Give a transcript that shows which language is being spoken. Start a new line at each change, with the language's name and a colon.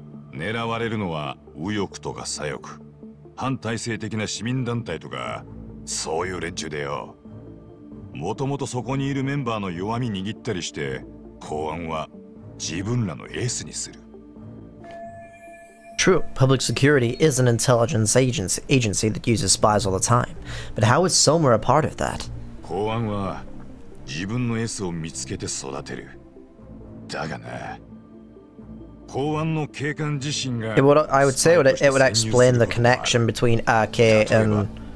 Japanese: 狙われるのは右翼とか左翼、反体制的な市民団体とかそういう連中でよ。もともとそこにいるメンバーの弱み握ったりして公安は自分らのエースにする。
English: True, public security is an intelligence agency that uses spies all the time. But how is Soma a part of that?
Japanese: 公安は自分のエースを見つけて育てる。だがな、公安の警官自身が。
English: It would, I would say it would explain the connection between RK and